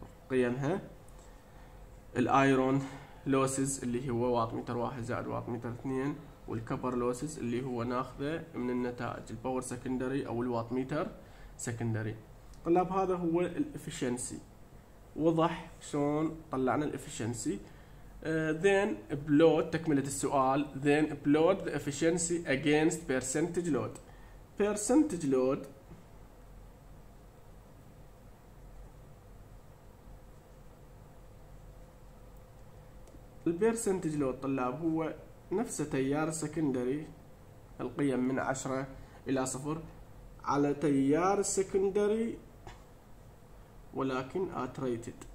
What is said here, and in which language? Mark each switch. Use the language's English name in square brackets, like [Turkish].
[Arabic] قيمها الايرون لوسز اللي هو واط متر واحد زائد واط متر اثنين، والكبر لوسز اللي هو ناخذه من النتائج الباور سكندري او الواط متر سكندري. طلاب هذا هو الافشنسي، وضح شلون طلعنا الافشنسي. [English] Then plot [Arabic] تكملة السؤال، [English] then plot the efficiency against percentage load. Percentage load [Arabic] البيرسنتج لود طلاب هو نفس تيار سكندري، القيم من 10 إلى 0 على تيار سكندري ولكن اتريتد،